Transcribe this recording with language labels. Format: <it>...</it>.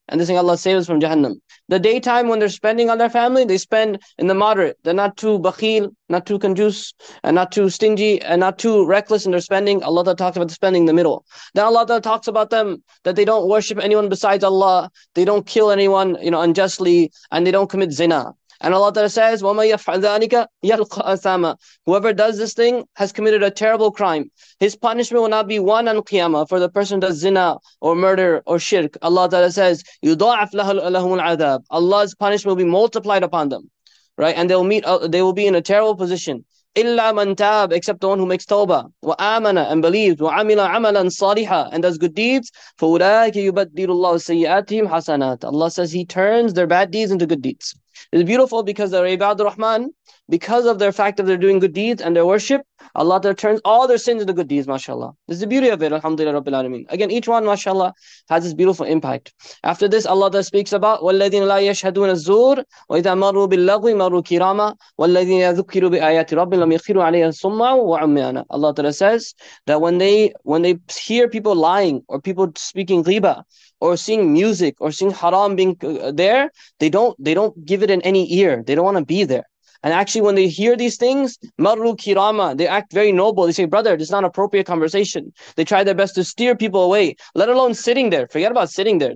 <en>And they're saying, Allah, save us from Jahannam. The daytime, when they're spending on their family, they spend in the moderate. They're not too bakhil, not too conjuice, and not too stingy, and not too reckless in their spending. Allah talks about the spending in the middle. Then Allah talks about them, that they don't worship anyone besides Allah. They don't kill anyone, you know, unjustly, and they don't commit zina. And Allah says,</en> <ar>وَمَا يَفْعَلْ ذَٰلِكَ يَلْقَ أَثَامًا.</ar> <en>Whoever does this thing has committed a terrible crime. His punishment will not be one on Qiyamah for the person who does zina or murder or shirk. Allah says,</en> <ar>يُضَعَفْ لَهُمُ الْعَذَابِ.</ar> <en>Allah's punishment will be multiplied upon them. Right? And they will be in a terrible position.</en> <ar>إِلَّا مَنْ تَاب,</ar> <en>except the one who makes tawbah.</en> <ar>وَآمَنَ,</ar> <en>and believes.</en> <ar>وَعَمِلَ عَمَلًا صَالِحًا,</ar> <en>and does good deeds.</en> <ar>فَأُولَٰئِكَ يُبَدِّلُ اللَّهُ سَيِّئَاتِهِمْ حَسَنَاتٍ.</ar> <en>Allah says he turns their bad deeds into good deeds. It's beautiful because they're Ibad al-Rahman, because of their fact that they're doing good deeds and their worship, Allah turns all their sins into good deeds, mashallah. This is the beauty of it, alhamdulillah rabbil alameen. Again, each one, mashallah, has this beautiful impact. After this, Allah speaks about,</en> <ar>وَالَّذِينَ لَا يَشْهَدُونَ الزُّورِ وَإِذَا مَرُّوا بِاللَّغْوِ مَرُّوا كِرَامًا وَالَّذِينَ يَذُكِّرُوا بِآيَاتِ رَبِّ لَمْ يَخِرُوا عَلَيْهَا صُمًّا وَعُمْيَانًا.</ar> <en>Allah says that when they hear people lying or people speaking ghibah, or seeing music, or seeing haram being there, they don't give it in any ear. They don't want to be there. And actually, when they hear these things,</en> <ar>maru kirama,</ar> <en>they act very noble. They say, brother, this is not appropriate conversation. They try their best to steer people away, let alone sitting there. Forget about sitting there.</en>